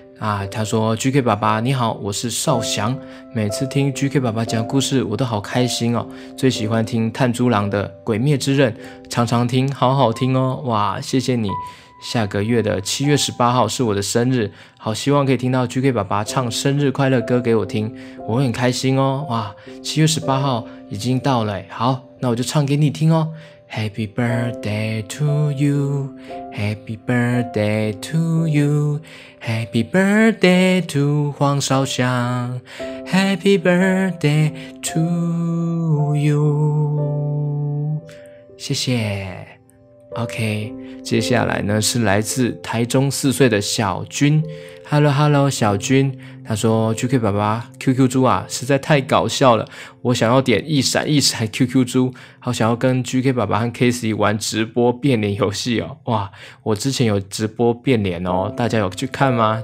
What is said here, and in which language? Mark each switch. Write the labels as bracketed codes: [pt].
[zh] 啊，他说 GK 爸爸你好，我是少翔，每次听 GK 爸爸讲故事我都好开心哦，最喜欢听炭猪郎的鬼灭之刃，常常听，好好听哦，哇谢谢你，下个月的7月18号是我的生日，好希望可以听到 GK 爸爸唱生日快乐歌给我听，我很开心哦，哇7月18号已经到了，好那我就唱给你听哦。 [en] Happy birthday to you, Happy birthday to you, Happy birthday to 黄少翔 Happy birthday to you. [zh] 谢谢。 OK, 接下来呢是来自台中四岁的小君。 Hello, 小君。他说 GK 爸爸 QQ 猪啊实在太搞笑了，我想要点一闪一闪 QQ 猪，好想要跟 GK 爸爸和 Casey 玩直播变脸游戏哦，哇我之前有直播变脸哦，大家有去看吗？